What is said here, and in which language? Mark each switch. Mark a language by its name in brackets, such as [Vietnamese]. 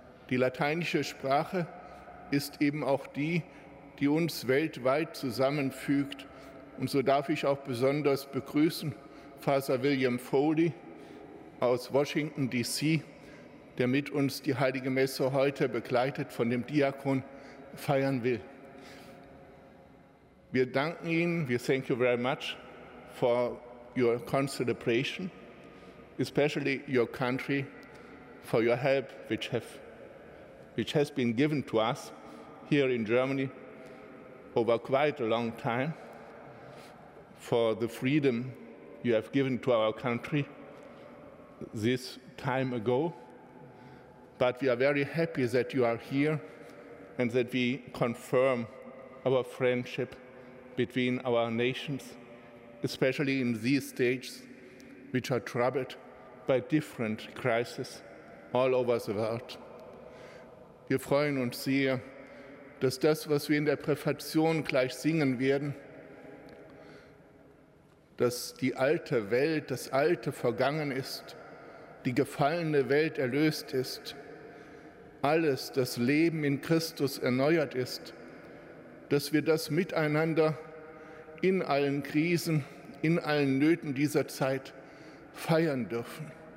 [German] Die lateinische Sprache ist eben auch die, die uns weltweit zusammenfügt. Und so darf ich auch besonders begrüßen Pfarrer William Foley aus Washington, D.C., der mit uns die Heilige Messe heute begleitet von dem Diakon feiern will. Wir danken Ihnen, wir [English] thank you very much for your consideration, especially your country, for your help which has been given to us here in Germany over quite a long time. For the freedom you have given to our country this time ago. But we are very happy that you are here and that we confirm our friendship between our nations, especially in these days which are troubled by different crises all over the world. [German] Wir freuen uns sehr, dass das, was wir in der Präfation gleich singen werden, dass die alte Welt, das Alte vergangen ist, die gefallene Welt erlöst ist, alles, das Leben in Christus erneuert ist, dass wir das miteinander in allen Krisen, in allen Nöten dieser Zeit feiern dürfen.